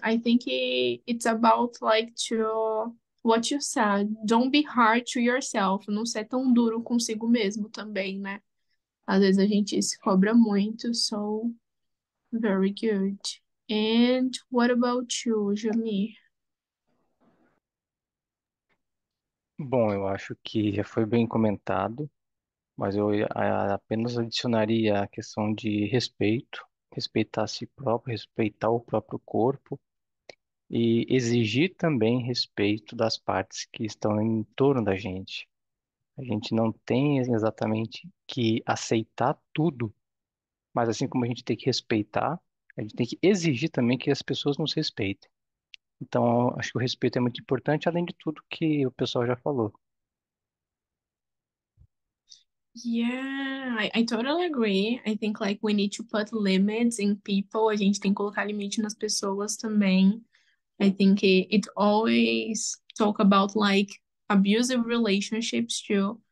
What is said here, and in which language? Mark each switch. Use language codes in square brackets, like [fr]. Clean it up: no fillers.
[en] I think it's about like to what you said. Don't be hard to yourself. [pt] Não ser tão duro consigo mesmo também, né? Às vezes a gente se cobra muito. [en] So, very good. And what about you, Jamie? [pt] Bom, eu acho que já foi bem comentado, mas eu apenas adicionaria a questão de respeito, respeitar a si próprio, respeitar o próprio corpo e exigir também respeito das partes que estão em torno da gente. A gente não tem exatamente que aceitar tudo, mas assim como a gente tem que respeitar, a gente tem que exigir também que as pessoas nos respeitem. Então, acho que o respeito é muito importante, além de tudo que o pessoal já falou. [en] Yeah, I totally agree. I think like we need to put limits in people. [pt] A gente tem que colocar limite nas pessoas também. [en] I think it always talk about like abusive relationships too.